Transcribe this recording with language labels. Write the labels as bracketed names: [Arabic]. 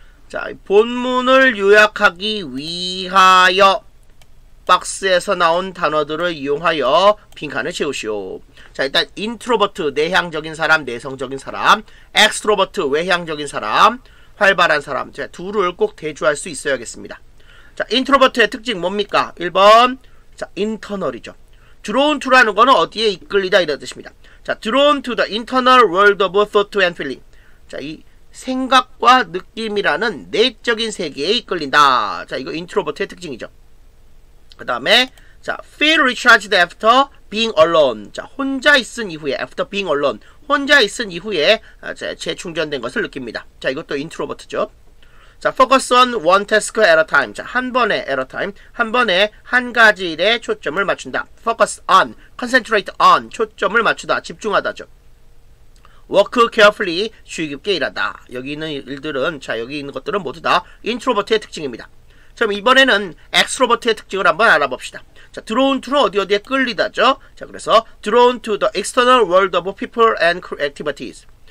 [Korean] 자, 본문을 요약하기 위하여 박스에서 나온 단어들을 이용하여 빈칸을 채우시오. 자, 일단 인트로버트, 내향적인 사람, 내성적인 사람, 엑스트로버트, 외향적인 사람, 활발한 사람. 자, 둘을 꼭 대조할 수 있어야겠습니다. 자, 인트로버트의 특징 뭡니까? 1번, 자, 인터널이죠. [English] Drawn to [Korean] 라는 거는 어디에 이끌리다 이런 뜻입니다. [English] 자, Drawn to the internal world of thought and feeling. [Korean] 자, 이 생각과 느낌이라는 내적인 세계에 이끌린다. 자, 이거 인트로버트의 특징이죠. 그 다음에 자, [English] feel recharged after being alone. [Korean] 자, 혼자 있은 이후에 [English] after being alone. [Korean] 혼자 있은 이후에 자, 재충전된 것을 느낍니다. 자, 이것도 인트로버트죠. [English] 자, focus on one task at a time. 자, [Korean] 한 번에 [English] at a time. [Korean] 한 번에 한 가지 일에 초점을 맞춘다. [English] focus on, concentrate on. [Korean] 초점을 맞추다. 집중하다죠. [English] work carefully. [Korean] 주의 깊게 일하다. 여기 있는 일들은 자, 여기 있는 것들은 모두 다 인트로버트의 특징입니다. 그럼 이번에는 엑스트로버트의 특징을 한번 알아봅시다. 자, [English] drawn to [Korean] 어디 어디에 끌리다죠? 자, 그래서 [English] drawn to the external world of people and activities.